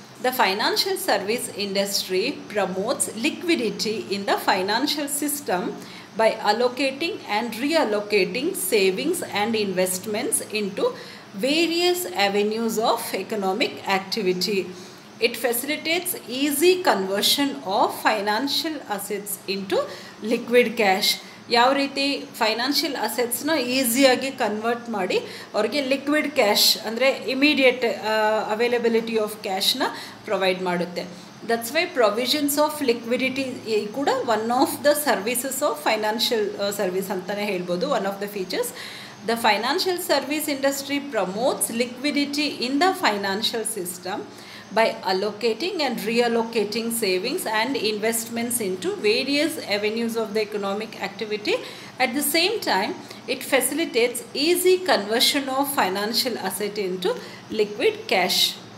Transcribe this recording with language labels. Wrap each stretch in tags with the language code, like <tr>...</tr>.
<en>The financial service industry promotes liquidity in the financial system by allocating and reallocating savings and investments into various avenues of economic activity. It facilitates easy conversion of financial assets into liquid cash.</en> <kn>ಯಾವ ರೀತಿ financial ಅಸೆಟ್ಸ್ನ ಈಸಿಯಾಗಿ convert ಮಾಡಿ ಅವರಿಗೆ liquid cash ಅಂದರೆ immediate availability of ಕ್ಯಾಶ್ನ provide ಮಾಡುತ್ತೆ.</kn> <en>that's why provisions of liquidity ಕೂಡ one of the services of financial service</en> <kn>ಅಂತಲೇ ಹೇಳ್ಬೋದು,</kn> <en>One of the features. The financial service industry promotes liquidity in the financial system by allocating and reallocating savings and investments into various avenues of the economic activity. At the same time, it facilitates easy conversion of financial asset into liquid cash.</en>